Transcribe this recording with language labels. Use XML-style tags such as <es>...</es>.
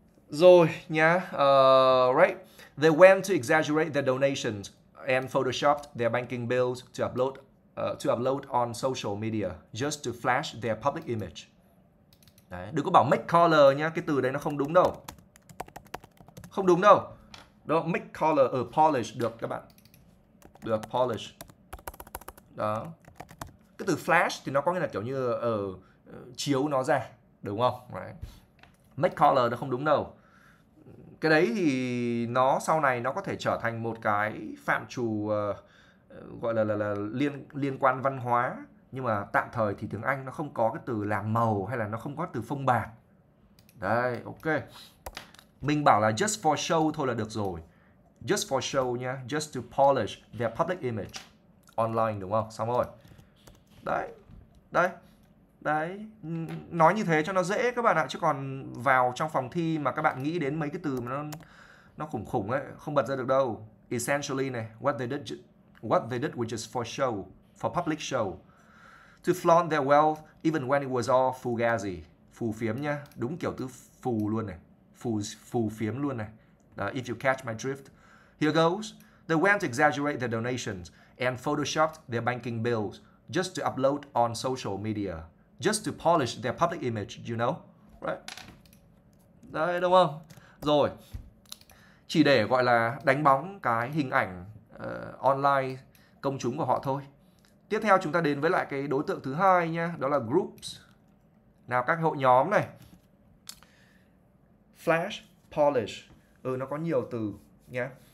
<en>Rồi nhá, right, they went to exaggerate their donations and photoshopped their banking bills to upload on social media just to flash their public image.</en> <vi>Đấy, đừng có bảo make color nhá, cái từ đấy nó không đúng đâu, không đúng đâu. Đó, make color, polish được các bạn, được polish. Đó. Cái từ flash thì nó có nghĩa là kiểu như chiếu nó ra, đúng không? Đấy. Make color nó không đúng đâu. Cái đấy thì nó sau này nó có thể trở thành một cái phạm trù gọi là liên liên quan văn hóa, nhưng mà tạm thời thì tiếng Anh nó không có cái từ làm màu hay là nó không có từ phông bạt. Đây, ok. Mình bảo là</vi> <en>just for show</en> <vi>thôi là được rồi.</vi> <en>Just for show nhá, just to polish their public image online,</en> <vi>đúng không? Xong rồi. Đấy. Đấy. Đấy, nói như thế cho nó dễ các bạn ạ, chứ còn vào trong phòng thi mà các bạn nghĩ đến mấy cái từ mà nó khủng khủng ấy, không bật ra được đâu.</vi> <en>Essentially này, what they did which is for show, for public show. To flaunt their wealth even when it was all fugazi.</en> <vi>Phù phiếm nhá, đúng kiểu từ phù luôn này. Phù phiếm luôn này.</vi> <en>If you catch my drift. Here goes. They went to exaggerate their donations and photoshopped their banking bills just to upload on social media. Just to polish their public image, you know?</en> <vi>Right. Đấy, đúng không? Rồi. Chỉ để gọi là đánh bóng cái hình ảnh online công chúng của họ thôi. Tiếp theo chúng ta đến với lại cái đối tượng thứ hai nha, đó là groups. Nào các hội nhóm này. Flash, polish. Ừ, nó có nhiều từ nha.</vi>